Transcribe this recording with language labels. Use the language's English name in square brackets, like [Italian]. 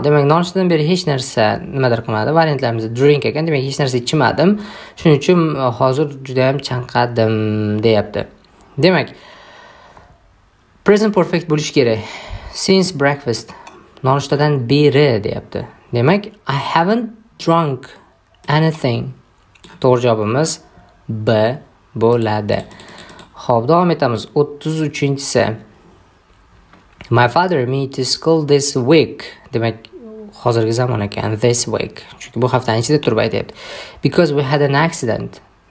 [Uzbek] Demak, nonushtadan beri hech narsa nimadir qilmadi. Variantlarimiz drink ekan, demak, hech narsa ichmadim. Shuning uchun hozir juda ham chanqadim, deyapti. Demak, present perfect bo'lish kerak. [English] Since breakfast. [Uzbek] Nonushtadan beri deyapti. [English] Demak, I haven't drunk anything. [Uzbek] To'g'ri javobimiz B bo'ladi. Xo'p, davom etamiz. 33-inchisi. [English] My father me to school this week. [Uzbek] Demak, hozirgi zamon ekan [English] this week. [Uzbek] Chunki bu haftaning ichida turib aytayapti. [English] Because we had an accident.